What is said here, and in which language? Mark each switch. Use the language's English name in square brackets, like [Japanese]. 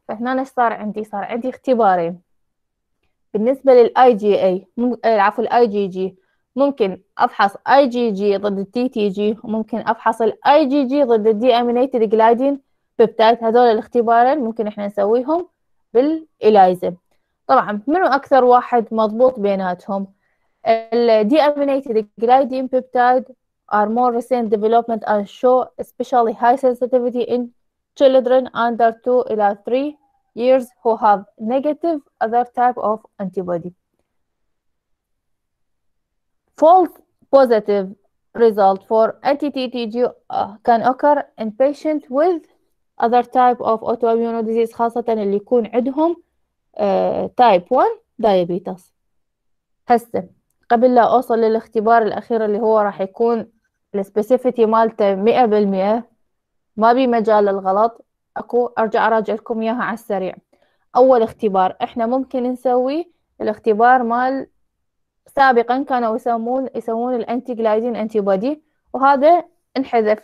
[Arabic] فهنا ايش صار عندي؟ صار عندي اختبارين بالنسبة لل IgA، عفوا ال IgG، ممكن افحص IgG ضد ال TTG، ممكن افحص ال IgG ضد ال deaminated gliding peptide. هذول الاختبارين ممكن احنا نسويهم بال ELISA. طبعا منو اكثر واحد مضبوط بيناتهم؟ [English] ال deaminated gliding peptide are more recent development and show especially high sensitivity in children under 2 إلى 3 years who have negative other type of antibody. False positive result for anti-TTG can occur in patient with other type of autoimmune disease [Arabic] خاصة اللي يكون عندهم [English] type 1 diabetes. [Arabic] هسه قبل لا أوصل للاختبار الأخير اللي هو راح يكون specificity مالته 100% ما بي مجال للغلط، اكو ارجع اراجع لكم اياها على السريع. اول اختبار احنا ممكن نسوي الاختبار مال سابقا كانوا يسوون الانتي جلايدين انتي بودي، وهذا انحذف.